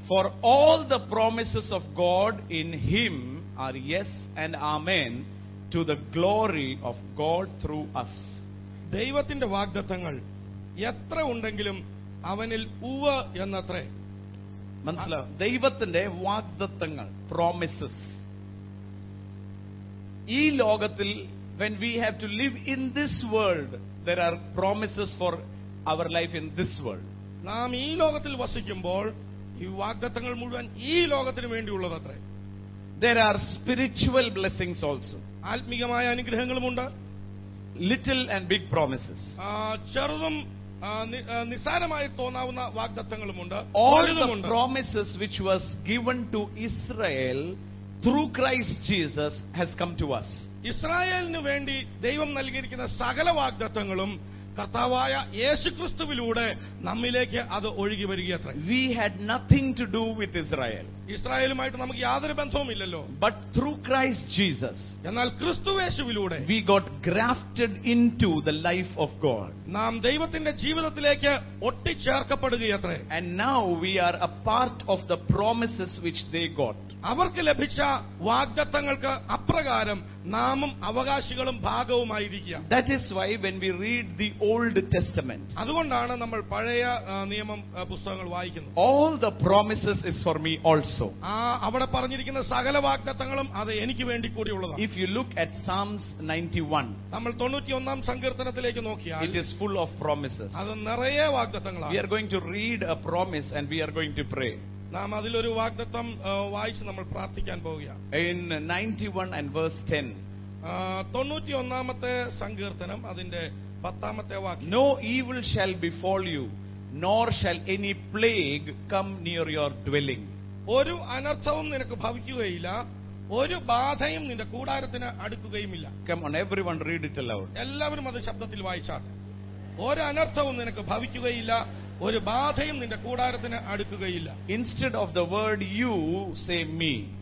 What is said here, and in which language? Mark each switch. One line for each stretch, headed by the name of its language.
English: For all the promises of God in him are yes and amen to the glory of God through us.
Malayalam: ദൈവത്തിന്റെ വാഗ്ദത്തങ്ങൾ എത്ര ഉണ്ടെങ്കിലും അവനിൽ ഉവ എന്നത്രേ. മനസ്സിലാവും, ദൈവത്തിന്റെ വാഗ്ദത്തങ്ങൾ, പ്രോമിസസ്. ഈ ലോകത്തിൽ,
English: when we have to live in this world, there are promises for our life in this world.
Malayalam: നാം ഈ ലോകത്തിൽ വസിക്കുമ്പോൾ ഈ വാഗ്ദത്തങ്ങൾ മുഴുവൻ ഈ ലോകത്തിന് വേണ്ടിയുള്ളതത്രേ.
English: There are spiritual blessings also.
Malayalam: ആത്മീകമായ അനുഗ്രഹങ്ങളും ഉണ്ട്.
English: Little and big promises.
Malayalam: ചെറുതും നിസാരമായി തോന്നാവുന്ന വാഗ്ദത്തങ്ങളും ഉണ്ട്.
English: All the promises which was given to Israel through Christ Jesus has come to us.
Malayalam: ഇസ്രായേലിന് വേണ്ടി ദൈവം നൽകിയിരിക്കുന്ന സകല വാഗ്ദത്തങ്ങളും കർത്താവായ യേശുക്രിസ്തുവിലൂടെ നമ്മിലേക്ക് അത് ഒഴുകി വരികയത്ര.
English: We had nothing to do with Israel.
Malayalam: ഇസ്രായേലുമായിട്ട് നമുക്ക് യാതൊരു ബന്ധവുമില്ലല്ലോ.
English: But through Christ Jesus,
Malayalam: എന്നാൽ ക്രിസ്തുയേശുവിലൂടെ,
English: we got grafted into the life of God.
Malayalam: നാം ദൈവത്തിന്റെ ജീവിതത്തിലേക്ക് ഒട്ടിച്ചേർക്കപ്പെടുകയത്ര.
English: And now we are a part of the promises which they got.
Malayalam: അവർക്ക് ലഭിച്ച വാഗ്ദത്തങ്ങൾക്ക് അപ്രകാരം നാമും അവകാശികളും ഭാഗവുമായിരിക്കുക.
English: That is why when we read the Old Testament,
Malayalam: അതുകൊണ്ടാണ് നമ്മൾ പഴയ നിയമം പുസ്തകങ്ങൾ വായിക്കുന്നത്.
English: All the promises is for me also.
Malayalam: അവിടെ പറഞ്ഞിരിക്കുന്ന സകല വാഗ്ദത്തങ്ങളും അത് എനിക്ക് വേണ്ടി കൂടിയുള്ളതാണ്.
English: If you look at Psalms 91,
Malayalam: നമ്മൾ 91 സങ്കീർത്തനത്തിലേക്ക് നോക്കിയാൽ,
English: it is full of promises.
Malayalam: അത് നിറയെ വാഗ്ദത്തങ്ങളാണ്.
English: We are going to read a promise and we are going to pray.
Malayalam: നാം അതിലൊരു വാഗ്ദത്തം വായിച്ച് നമ്മൾ പ്രാർത്ഥിക്കാൻ പോവുകയാണ്. 91:10 സങ്കീർത്തനം അതിന്റെ 10th വാക്യം.
English: No evil shall befall you, nor shall any plague come near your dwelling.
Malayalam: ഒരു അനർത്ഥവും നിനക്ക് ഭവിക്കുകയില്ല, ഒരു ബാധയും നിന്റെ കൂടാരത്തിന് അടുക്കുകയുമില്ല.
English: Come on, everyone read it aloud.
Malayalam: എല്ലാവരും അത് ശബ്ദത്തിൽ വായിച്ചാട്ടെ. ഒരു അനർത്ഥവും നിനക്ക് ഭവിക്കുകയില്ല, ഒരു ബാധയും നിന്റെ കൂടാരത്തിന് അടുക്കുകയില്ല.
English: Instead of the word you, say me.